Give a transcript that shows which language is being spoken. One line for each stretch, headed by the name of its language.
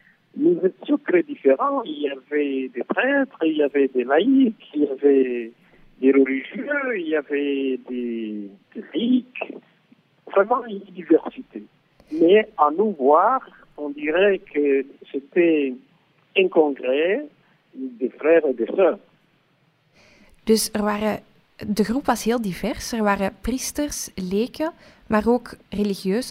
Dutch: We waren heel
French: différents. Il y avait des prêtres, il y avait des laïcs, il y avait des religieux, il y avait des laïcs. Vraiment une diversité. Mais à nous voir, on dirait que c'était un congrès des frères et des sœurs.
Dutch: Dus de groep was heel divers. Er waren priesters, leken, maar ook religieus.